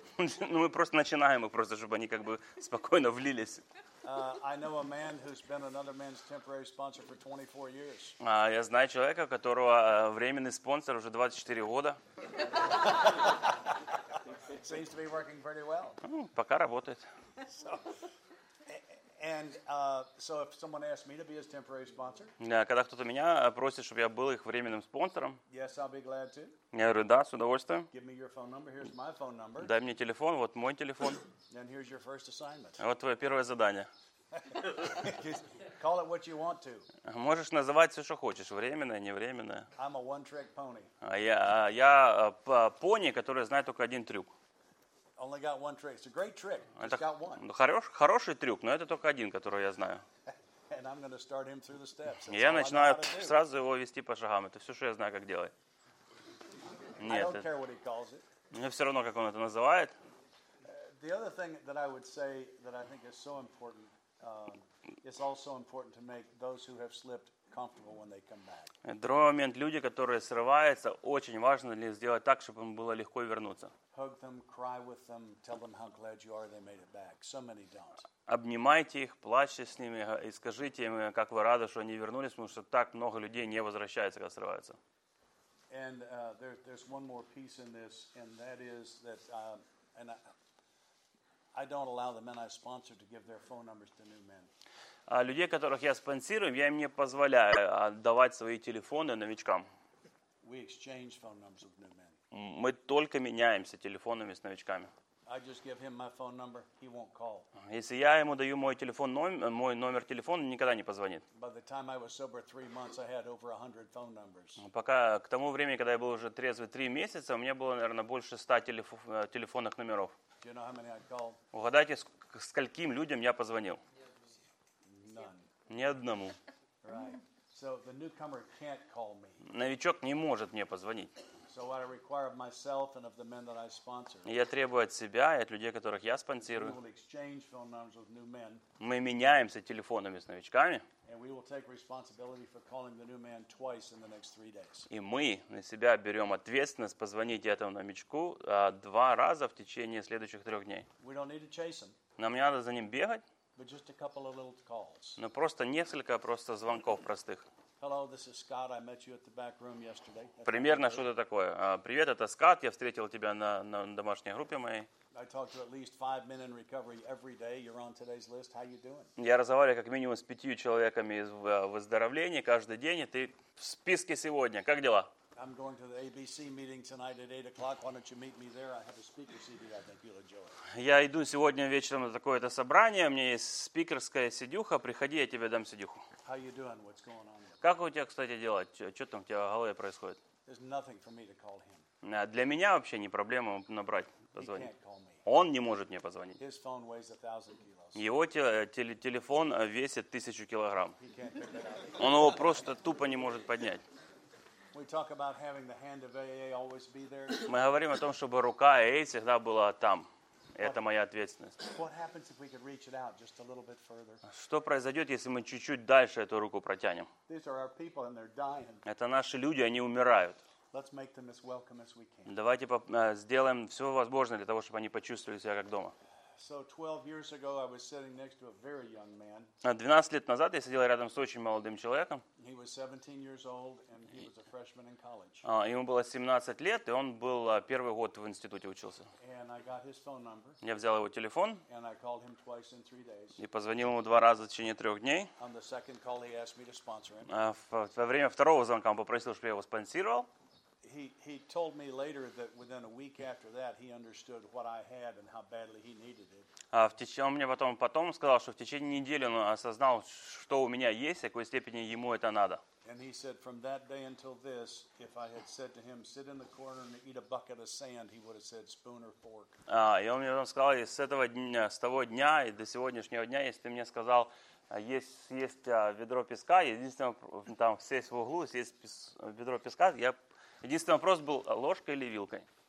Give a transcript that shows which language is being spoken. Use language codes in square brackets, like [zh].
[ru] Ну мы просто начинаем их просто, чтобы они как бы спокойно влились. [en] I know a man who's been another man's temporary sponsor for 24 years. [ru] Я знаю человека, у которого временный спонсор уже 24 года. [en] Seems to be working pretty well. [ru] Пока работает. [en] And so if someone asks me to be his temporary sponsor? [ru] Да, когда кто-то меня просит, чтобы я был их временным спонсором? [en] Yes, I'll be glad to. [ru] Я говорю, да, с удовольствием. [en] Give me your phone number. Here's my phone number. [ru] Дай мне телефон, вот мой телефон. [en] And here's your first assignment. [ru] Вот твое первое задание. [en] Call it what you want to. [ru] Можешь называть все, что хочешь, временное, невременное. [en] I'm a one-trick pony. [ru] Я пони, который знает только один трюк. [en] Only got one trick. It's a great trick. Just got one. [ru] Ну хороший трюк, но это только один, который я знаю. [en] And I'm going to start him through the steps. [ru] Я начинаю сразу его вести по шагам. Это все, что я знаю, как делать. Нет. [en] I don't care what he calls it. [ru] Мне все равно, как он это называет. [en] The other thing that I would say that I think is so important, it's also important to make those who have slipped comfortable when they come back. [ru] Другой момент, люди, которые срываются, очень важно для них сделать так, чтобы им было легко вернуться. [en] Hug them, cry with them, tell them how glad you are they made it back. So many don't. [ru] Обнимайте их, плачьте с ними и скажите им, как вы рады, что они вернулись, потому что так много людей не возвращаются, когда срываются. [en] And there's one more piece in this, and that is that, and I don't allow the men I sponsor to give their phone numbers to new men. [ru] Людей, которых я спонсирую, я им не позволяю давать свои телефоны новичкам. [en] We exchange phone numbers with new men. [ru] Мы только меняемся телефонами с новичками. [en] I just give him my phone number, he won't call. [ru] Если я ему даю мой телефон, мой номер телефона, он никогда не позвонит. [en] By the time I was sober 3 months, I had over 100 phone numbers. [ru] Пока к тому времени, когда я был уже трезвый 3 месяца, у меня было, наверное, больше 100 телефонных номеров. [en] Do you know how many I called? [ru] Угадайте, скольким людям я позвонил? [en] None. [ru] Ни одному. [en] Right. So the newcomer can't call me. [ru] Новичок не может мне позвонить. [en] So what I require of myself and of the men that I sponsor. [ru] Я требую от себя и от людей, которых я спонсирую. [en] We will exchange phone numbers with new men. [ru] Мы меняемся телефонами с новичками. [en] And we will take responsibility for calling the new man twice in the next 3 days. [ru] И мы на себя берем ответственность позвонить этому новичку два раза в течение следующих 3 дней. [en] We don't need to chase him. [ru] Нам не надо за ним бегать. [en] But just a couple of little calls. [ru] Но просто несколько просто звонков простых. [en] Hello, this is Scott. I met you at the back room yesterday. [ru] Примерно что-то такое. Привет, это Скотт. Я встретил тебя на домашней группе моей. [en] I talk to at least 5 men in recovery every day. You're on today's list. How you doing? [ru] Я разговариваю как минимум с 5 человеками из выздоровления каждый день, и ты в списке сегодня. Как дела? [en] I'm going to the ABC meeting tonight at 8 o'clock. Why don't you meet me there? I have a speaker CD. I think you'll enjoy. [ru] Я иду сегодня вечером на такое-то собрание. У меня есть спикерская сидюха. Приходи, я тебе дам сидюху. [en] How you doing? What's going on? [ru] Как у тебя, кстати, дела? Что там у тебя в голове происходит? [en] There's nothing for me to call him. [ru] Для меня вообще не проблема набрать, позвонить. [en] He can't call me. [ru] Он не может мне позвонить. [en] His phone weighs 1,000 kilos. [ru] Его телефон весит 1000 килограмм. Он его просто тупо не может поднять. [en] We talk about having the hand of AA always be there. [ru] Мы говорим о том, чтобы рука AA всегда была там. Это моя ответственность. [en] What happens if we could reach it out just a little bit further? [ru] Что произойдет, если мы чуть-чуть дальше эту руку протянем? [en] These are our people and they're dying. [ru] Это наши люди, они умирают. [en] Let's make them as welcome as we can. [ru] Давайте сделаем все возможное для того, чтобы они почувствовали себя как дома. [en] So 12 years ago I was sitting next to a very young man. [ru] 12 лет назад я сидел рядом с очень молодым человеком. [en] He was 17 years old and he was a freshman in college. [ru] Ему было 17 лет, и он был первый год в институте учился. [en] And I got his phone number. [ru] Я взял его телефон. [en] And I called him twice in 3 days. [ru] И позвонил ему два раза в течение 3 дней. [en] On the second call he asked me to sponsor him. [ru] Во время второго звонка он попросил, чтобы я его спонсировал. [en] He told me later that within a week after that he understood what I had and how badly he needed it. [ru] Он мне потом сказал, что в течение недели он осознал, что у меня есть, в какой степени ему это надо. [en] And he said from that day until this, if I had said to him, sit in the corner and eat a bucket of sand, he would have said spoon or fork. [ru] И он мне потом сказал, с того дня и до сегодняшнего дня, если ты мне сказал есть ведро песка, единственное там сесть в углу, съесть ведро песка, я единственный вопрос был, ложкой или вилкой.